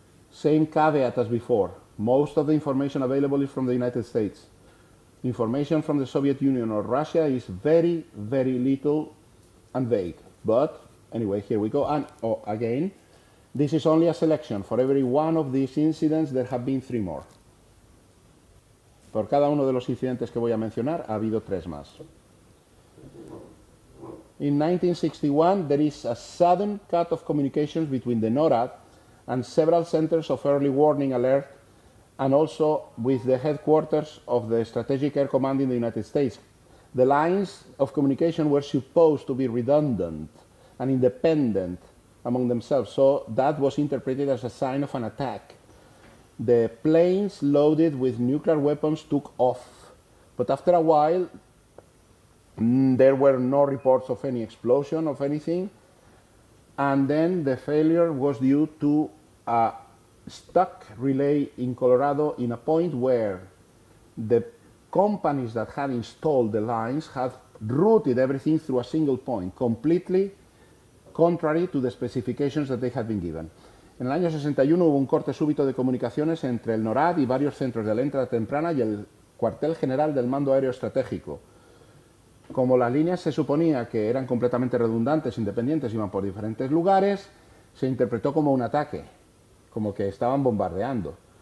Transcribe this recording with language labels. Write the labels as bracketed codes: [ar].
[en] Same caveat as before, most of the information available is from the United States. Information from the Soviet Union or Russia is very, very little and vague. But anyway, here we go. And oh, again, this is only a selection. For every one of these incidents, there have been three more. [es] Por cada uno de los incidentes que voy a mencionar, ha habido tres más. [en] In 1961, there is a sudden cut of communications between the NORAD and several centers of early warning alert, and also with the headquarters of the Strategic Air Command in the United States. The lines of communication were supposed to be redundant and independent among themselves, so that was interpreted as a sign of an attack. The planes loaded with nuclear weapons took off, but after a while, there were no reports of any explosion of anything, and then the failure was due to a stuck relay in Colorado, in a point where the companies that had installed the lines had routed everything through a single point, completely contrary to the specifications that they had been given. [es] En el año 61 hubo un corte súbito de comunicaciones entre el NORAD y varios centros de alerta temprana y el cuartel general del mando aéreo estratégico. Como las líneas se suponía que eran completamente redundantes, independientes, iban por diferentes lugares, se interpretó como un ataque, como que estaban bombardeando.